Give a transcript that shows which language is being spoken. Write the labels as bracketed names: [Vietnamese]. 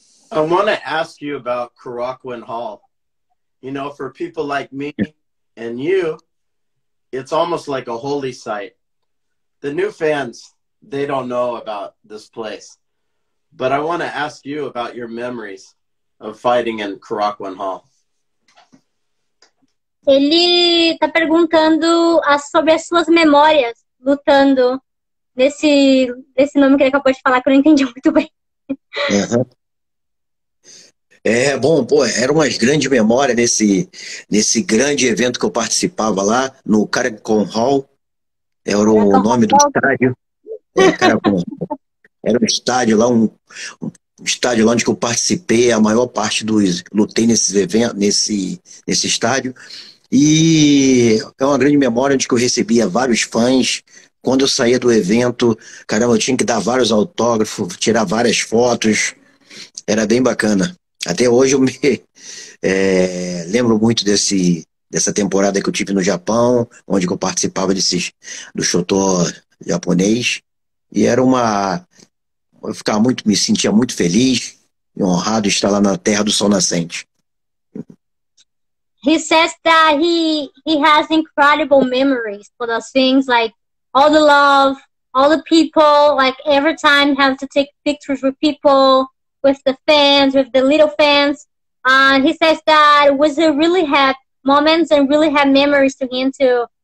[English] I want to ask you about Caraquin Hall. You know, for people like me and you, it's almost like a holy site. The new fans, they don't know about this place. But I want to ask you about your memories of fighting in Caraquin Hall. [Portuguese] Ele está perguntando sobre as suas memórias lutando nesse nome que ele acabou de falar, que eu não entendi muito bem. Uhum. Bom, pô, eram umas grandes memórias nesse grande evento que eu participava lá, no Caraquin Hall. Era o nome do estádio. Caraquin Hall. Era um estádio lá, um estádio lá onde eu participei, a maior parte dos lutei nesses eventos, nesse estádio. E é uma grande memória onde eu recebia vários fãs. Quando eu saía do evento, caramba, eu tinha que dar vários autógrafos, tirar várias fotos. Era bem bacana. Até hoje eu me lembro muito dessa temporada que eu tive no Japão, onde eu participava do Shotô japonês. E era uma. Eu ficava muito, me sentia muito feliz e honrado estar lá na terra do sol nascente. [English] He says that he has incredible memories for those things, like all the love, all the people, like every time he has to take pictures with people, with the fans, with the little fans. And he says that was a really happy moments and really have memories to him too.